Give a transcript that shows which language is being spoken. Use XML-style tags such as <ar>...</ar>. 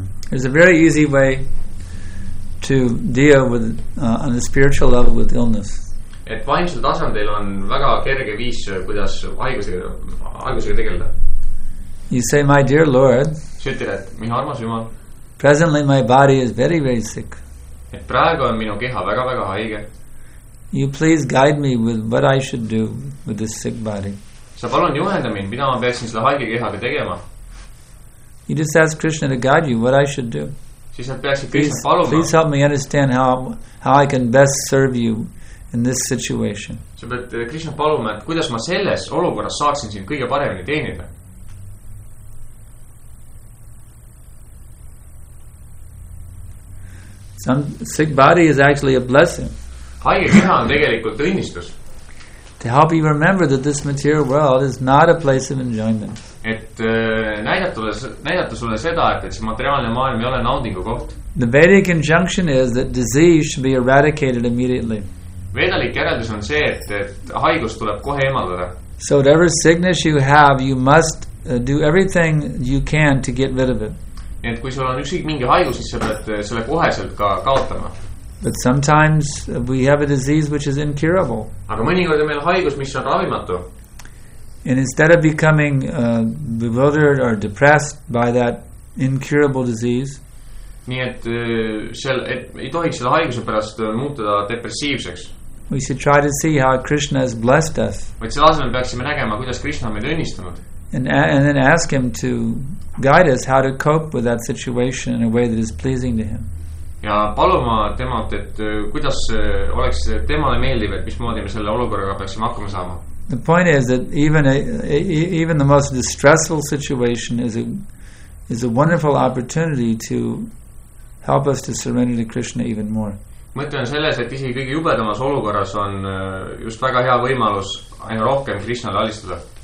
<en>There's a very easy way to deal with on a spiritual level with illness.</en> <et>Et vaimsel tasandil on väga kerge viis kuidas haigusega tegelda.</et> <en>You say my dear lord.</en> <et>Ütled, et minu armas Jumal.</et> <en>Presently my body is very very sick.</en> <et>Et praegu on minu keha väga väga haige.</et> <en>You please guide me with what I should do with this sick body.</en> <et>Sa palun juhenda mind, mida ma peaksin selle haige kehaga tegema.</et> <en>You just ask Krishna to guide you what I should do.</en> <et>Siis nad peaksid Krishna paluma.</et> <en>Please help me understand how I can best serve you in this situation.</en> <et>Sa pead Krishna paluma, et kuidas ma selles olukorras saaksin siin kõige paremini teenida.</et> <en>Some sick body is actually a blessing.</en> <et>Haige keha on tegelikult õnnistus.</et> <en>To help you remember that this material world is not a place of enjoyment.</en> <et>Et näidata sulle seda, et see materiaalne maailm ei ole naudingu koht.</et> <en>The Vedic injunction is that disease should be eradicated immediately.</en> <et>Vedalik järeldus on see, et haigus tuleb kohe emaldada.</et> <en>So whatever sickness you have, you must do everything you can to get rid of it.</en> <et>Et kui sul on ükskõik mingi haigus, siis sa pead selle koheselt ka kaotama.</et> <en>But sometimes we have a disease which is incurable.</en> <et>Aga mõnikord on meil haigus, mis on ravimatu.</et> <en>And instead of becoming bewildered or depressed by that incurable disease,</en> <et>nii et ei tohiks selle haiguse pärast muutuda depressiivseks.</et> <en>We should try to see how Krishna has blessed us.</en> <et>Vaid selle asemel peaksime nägema, kuidas Krishna on meid õnnistanud.</et> <en>And then ask him to guide us how to cope with that situation in a way that is pleasing to him.</en> <et>Ja paluma temalt, et kuidas oleks temale meeldiv, et mis moodi me selle olukorraga peaksime hakkama saama.</et> <en>The point is that even the most distressful situation is a wonderful opportunity to help us to surrender to Krishna even more.</en> <et>Mõte on selles, et isegi kõige jubedamas olukorras on just väga hea võimalus aina rohkem Krishnale alistada.</et>